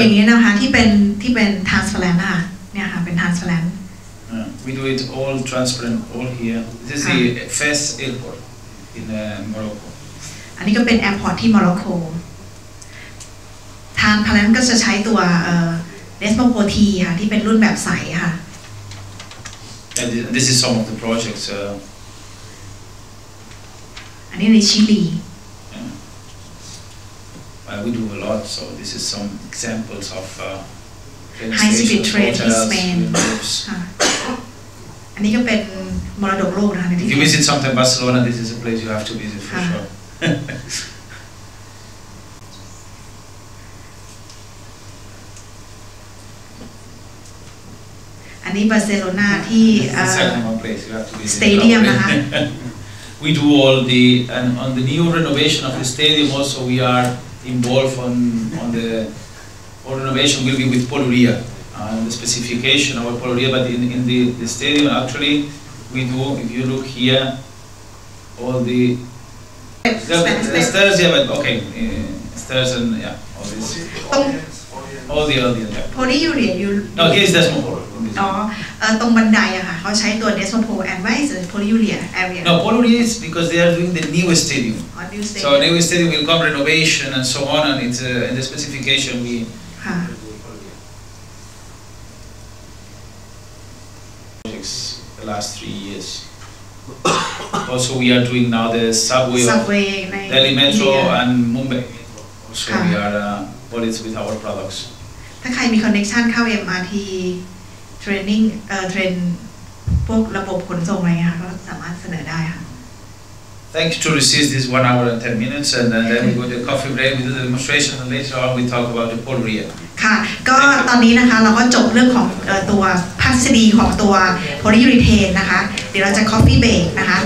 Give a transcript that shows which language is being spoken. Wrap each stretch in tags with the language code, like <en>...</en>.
<th>อย่างนี้นะคะที่เป็น transparent ค่ะเนี่ยค่ะเป็น transparent.</th> <en>We do it all transparent all here. This is the first airport in Morocco.</en> <th>อันนี้ก็เป็น airport ที่โมร็อกโก transparent ก็จะใช้ตัว Tecnopol ค่ะที่เป็นรุ่นแบบใสค่ะ</th> <en>And this is some of the projects.</en> <th>อันนี้ในชิลี</th> <en>We do a lot, so this is some examples of high-speed trains in Spain.</en> <th>อันนี้ก็เป็นมรดกโลกนะคะ</th> <en>If you visit sometime Barcelona, this is a place you have to visit for sure.</en> <th>อันนี้บาร์เซโลนาที่</th> <en>second one place you have to visit.</en> <th>Stadium นะคะ</th> <en>We do all the and on the new renovation of the stadium also we areinvolved on the renovation will be with Poluria and the specification of Poluria but in the stadium actually we do if you look here all the stairs yeah but okay stairs and yeah all this all the Poluria no here is Tecnopol</en> <th>ตรงบันไดอะค่ะเขาใช้ตัว Tecnopol</th> <en>and why is Poluria area no Poluria is because they are doing the new stadiumSo a new stadium will come renovation and so on and it's in the specification we. Projects the last 3 years. also we are doing now the subway Delhi Metro yeah. and Mumbai. So we are but it's with our products.</en> <th>ถ้าใครมีคอนเนคชั่นเข้า MRT training train พวกระบบขนส่งอะไรเงี้ยก็สามารถเสนอได้ค่ะ</th> <en>Thank you to receive this 1 hour and 10 minutes, and then we go to a coffee break, we do the demonstration, and later on we talk about the Poluria.</en> <th>ค่ะก็ตอนนี้นะคะเราก็จบเรื่องของตัวภาคสี่ของตัว Poluria นะคะเดี๋ยวเราจะ coffee break นะคะ</th>